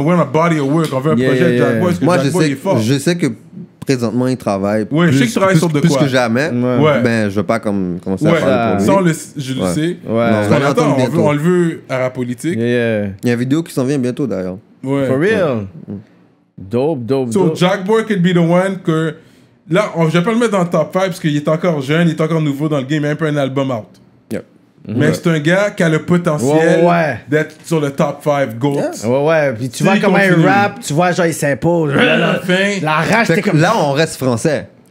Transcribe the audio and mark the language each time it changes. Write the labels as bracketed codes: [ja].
[en] We want a body of work. [fr] On veut un projet de Jack Boy. Parce que moi, Jack Boy, il est fort. Je sais que présentement, il travaille. Oui, je sais qu'il travaille sur de quoi. Plus que jamais. Ouais. Ben, je veux pas commencer à parler pour lui. Ça, je le sais. Ouais. On le veut à la politique. [en] Yeah. [fr] Il y a une vidéo qui s'en vient bientôt, d'ailleurs. Ouais. [en] For real. Dope. So, Jack Boy could be the one [fr] que. Là, je vais pas le mettre dans le top 5 parce qu'il est encore jeune, il est encore nouveau dans le game, il a un peu un album out. [en] Yep. [fr] Mais c'est un gars qui a le potentiel d'être sur le top 5 GOAT. [en] Yes. [fr] Puis tu vois comment il rap, tu vois, genre, il s'impose. La rage, t'es comme. Là, on reste français.